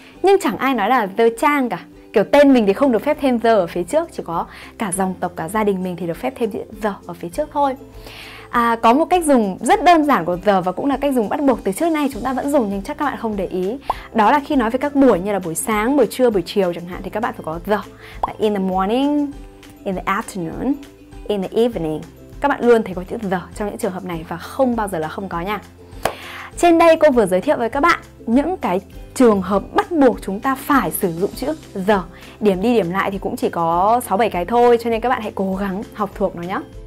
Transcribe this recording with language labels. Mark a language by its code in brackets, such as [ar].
[vi] Nhưng chẳng ai nói là the Trang cả. Kiểu tên mình thì không được phép thêm the ở phía trước, chỉ có cả dòng tộc, cả gia đình mình thì được phép thêm the ở phía trước thôi. Có một cách dùng rất đơn giản của the và cũng là cách dùng bắt buộc từ trước nay chúng ta vẫn dùng nhưng chắc các bạn không để ý. Đó là khi nói về các buổi như là buổi sáng, buổi trưa, buổi chiều chẳng hạn thì các bạn phải có the. [en] Like in the morning, in the afternoon, in the evening. [vi] Các bạn luôn thấy có chữ the trong những trường hợp này và không bao giờ là không có nha. Trên đây cô vừa giới thiệu với các bạn những cái trường hợp bắt buộc chúng ta phải sử dụng chữ the. Điểm đi điểm lại thì cũng chỉ có 6-7 cái thôi, cho nên các bạn hãy cố gắng học thuộc nó nhé.